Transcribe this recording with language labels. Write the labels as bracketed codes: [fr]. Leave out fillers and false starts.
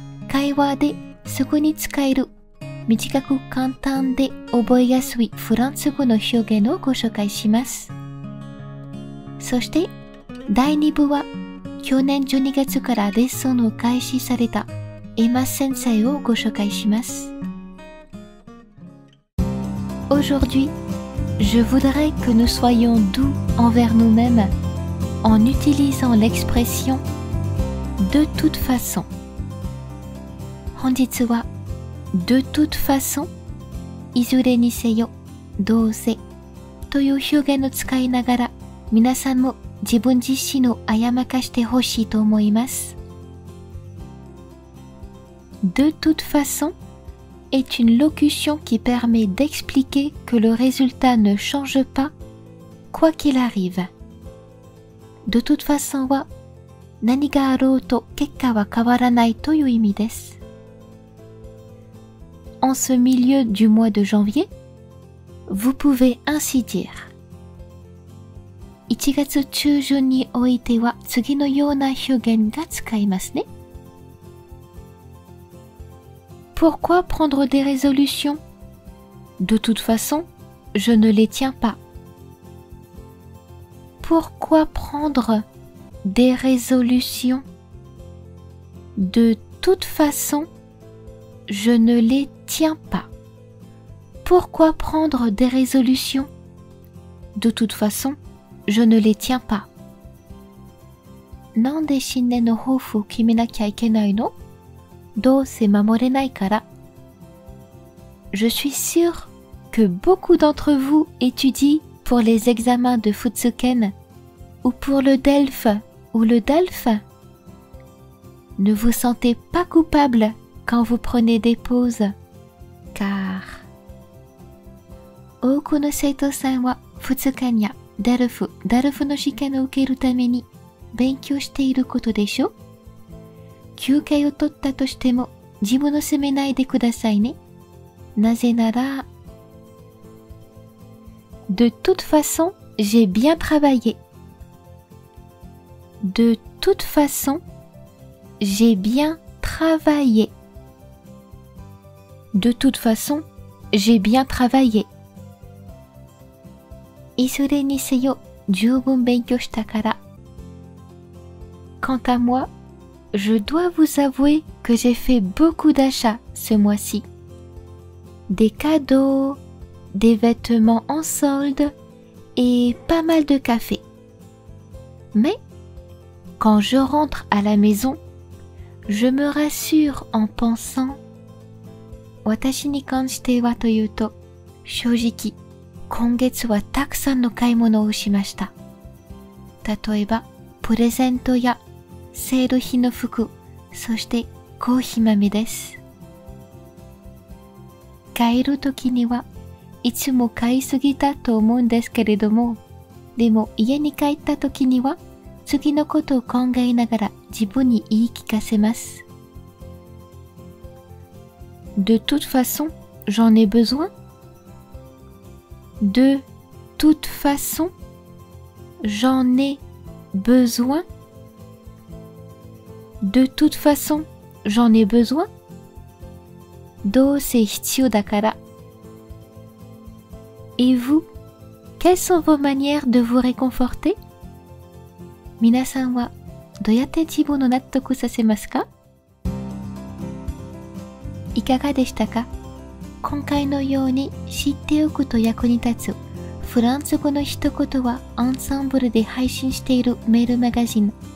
[ja] 会話でそこに使える短く簡単で覚えやすいフランス語の表現をご紹介します。そして第2部は去年12月からレッスンを開始されたエマ先生をご紹介します。 [fr] Aujourd'hui, je voudrais que nous soyons doux envers nous-mêmes en utilisant l'expression de toute façon. [ja] 本日は、de toute façon、いずれにせよ、どうせ、という表現を使いながら、皆さんも自分自身を誤魔化してほしいと思います。 [fr] De toute façon est une locution qui permet d'expliquer que le résultat ne change pas quoi qu'il arrive. [ja] De toute façon は何があろうと結果は変わらないという意味です。 [fr] En ce milieu du mois de janvier, vous pouvez ainsi dire. [ja] 1月中旬においては次のような表現が使いますね。 [fr] Pourquoi prendre des résolutions? De toute façon, je ne les tiens pas. Pourquoi prendre des résolutions? De toute façon, je ne les tiens pas. Pourquoi prendre des résolutions? De toute façon, je ne les tiens pas. [ja] なんで新年の抱負を決めなきゃいけないの? どうせ守れないから。 [fr] Je suis sûr que beaucoup d'entre vous étudient pour les examens de Futsuken ou pour le DELF ou le DELF. Ne vous sentez pas coupable quand vous prenez des pauses, car... [ja] 多くの生徒さんは Futsuken や DELF、DELF の試験を受けるために勉強していることでしょ? 休憩を取ったとしても自分を責めないでくださいね。なぜなら。 [fr] De toute façon, j'ai bien travaillé. De toute façon, j'ai bien travaillé. De toute façon, j'ai bien travaillé. [ja] いずれにせよ、十分勉強したから。 [fr] Quant à moi,Je dois vous avouer que j'ai fait beaucoup d'achats ce mois-ci. Des cadeaux, des vêtements en solde et pas mal de café. Mais quand je rentre à la maison, je me rassure en pensant... [ja] 私に関してはというと、正直、今月はたくさんの買い物をしました。例えば、プレゼントやセール品の服、そしてコーヒー豆です。帰るときには、いつも買いすぎたと思うんですけれども、でも家に帰ったときには、次のことを考えながら自分に言い聞かせます。 [fr] De toute façon, j'en ai besoin. De toute façon, j'en ai besoin. De toute façon, j'en ai besoin. [ja] どうせ必要だから。 [fr] Et vous, quelles sont vos manières de vous réconforter? [ja] 皆さんはどうやって自分を納得させますか? いかがでしたか?今回のように知っておくと役に立つフランス語の一言はアンサンブルで配信しているメールマガジン。